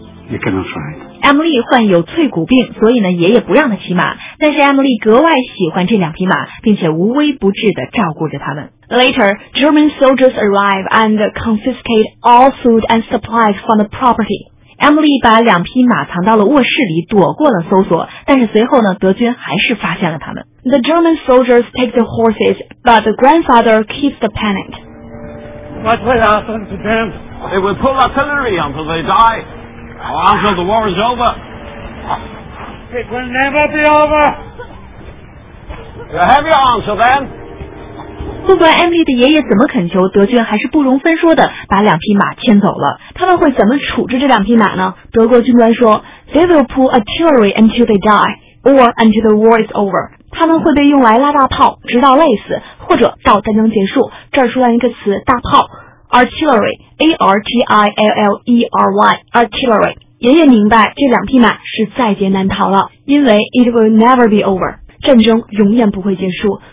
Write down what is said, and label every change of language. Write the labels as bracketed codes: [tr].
[en] You cannot ride. [zh] Emily 患有脆骨病，所以呢爷爷不让他骑马，但是 Emily 格外喜欢这两匹马，并且无微不至地照顾着他们。 [en] Later, German soldiers arrive and confiscate all food and supplies from the property. [zh] Emily 把两匹马藏到了卧室里，躲过了搜索，但是随后呢德军还是发现了他们。 [en] The German soldiers take the horses, but the grandfather keeps the pennant. What will happen to them? They will pull artillery until they dieUntil the war is over. It will never be over. You have your answer then. [zh] 不管 Emily 的爷爷怎么恳求，德军还是不容分说的把两匹马牵走了。他们会怎么处置这两匹马呢？德国军官说 [en] ，They will pull artillery until they die, or until the war is over. [zh] 他们会被用来拉大炮，直到累死，或者到战争结束。这儿出现一个词，大炮。Artillery, A-R-T-I-L-L-E-R-Y, artillery. 爷爷明白这两匹马是在劫难逃了，因为 [en] it will never be over， [zh] 战争永远不会结束。